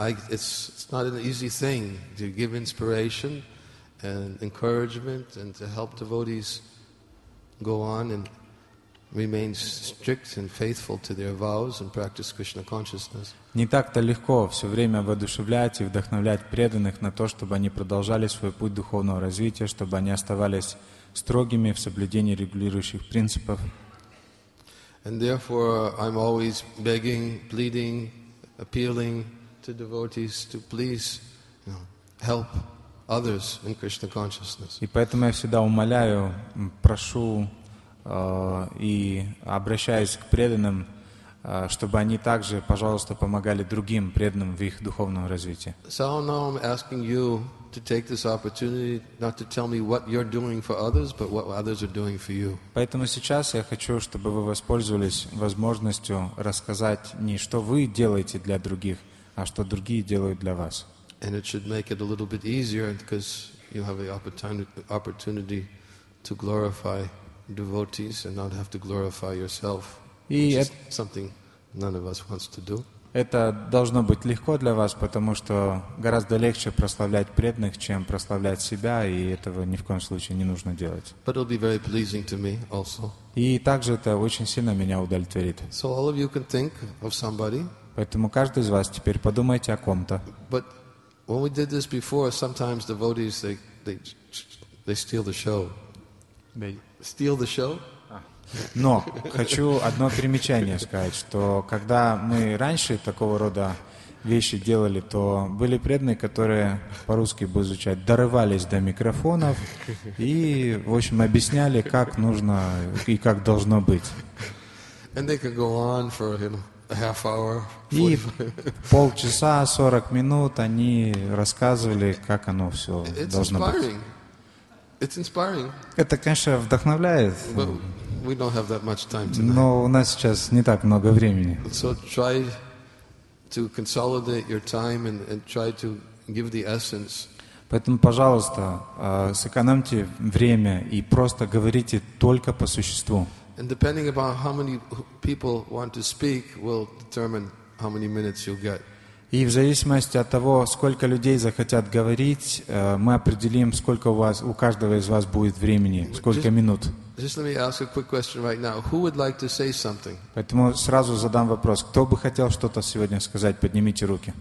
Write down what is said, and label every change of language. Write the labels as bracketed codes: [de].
[en] It's not an easy thing to give inspiration and encouragement and to help devotees go on and remain strict and faithful to their vows and practice Krishna consciousness. [ru] Не так-то легко все время воодушевлять и вдохновлять преданных на то, чтобы они продолжали свой путь духовного развития, чтобы они оставались строгими в соблюдении регулирующих принципов. [en] And therefore I'm always begging, pleading, appealing to devotees to please, you know, help others in Krishna consciousness. [ru] И поэтому я всегда умоляю, прошу и обращаюсь к преданным, чтобы они также, пожалуйста, помогали другим преданным в их духовном развитии. [en] So now I'm asking you to take this opportunity not to tell me what you're doing for others, but what others are doing for you. [ru] Поэтому сейчас я хочу, чтобы вы воспользовались возможностью рассказать не что вы делаете для других, а что другие делают для вас. [en] And it should make it a little bit easier because you have the opportunity to glorify devotees and not have to glorify yourself. Something none of us wants to do. [ru] Это должно быть легко для вас, потому что гораздо легче прославлять преданных, чем прославлять себя, и этого ни в коем случае не нужно делать. [en] But it'll be very pleasing to me also. [ru] И также это очень сильно меня удовлетворит. [en] So all of you can think of somebody. [ru] Поэтому каждый из вас теперь подумайте о ком-то. [en] But when we did this before, sometimes devotees they steal the show. They steal the show. [ru] Но хочу одно примечание сказать, что когда мы раньше такого рода вещи делали, то были преданные, которые по-русски бы звучать, дорывались до микрофонов и, в общем, объясняли, как нужно и как должно быть. [en] And they could go on for, you know, half hour, [ru] и полчаса, 40 минут они рассказывали, как оно все [en] It's [ru] должно [en] inspiring. [ru] Быть. [en] It's inspiring. [ru] Это, конечно, вдохновляет, [en] But we don't have that much time tonight. [ru] Но у нас сейчас не так много времени. [en] So try to consolidate your time and try to give the essence. [ru] Поэтому, пожалуйста, сэкономьте время и просто говорите только по существу. [en] And depending upon how many people want to speak, will determine how many minutes you'll get. [ru] И в зависимости от того, сколько людей захотят говорить, мы определим, сколько у каждого из вас будет времени, сколько минут. [en] Just let me ask a quick question right now. Who would like to say something? [ru] Поэтому сразу задам вопрос. Кто бы хотел что-то сегодня сказать? Поднимите руки.